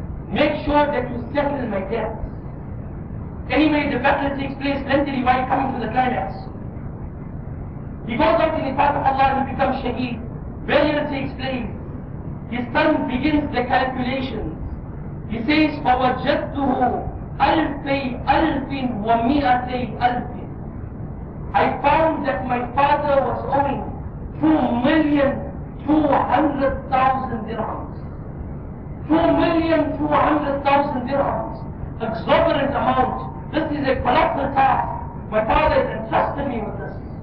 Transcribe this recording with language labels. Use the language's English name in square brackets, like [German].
[English] Make sure that you settle my debts. Anyway, the battle takes place lengthily while coming to the climax. He goes up to the path of Allah and becomes shaheed. Burial takes place. His son begins the calculations. He says, [Arabic] فَوَجَدْتُهُ أَلْفَيْ أَلْفٍ وَمِئَتَيْ أَلْفٍ. [English] I found that my father was owing 2,200,000 dirhams. 2,200,000 dirhams. Exorbitant amount. This is a colossal task. My father has entrusted me with this.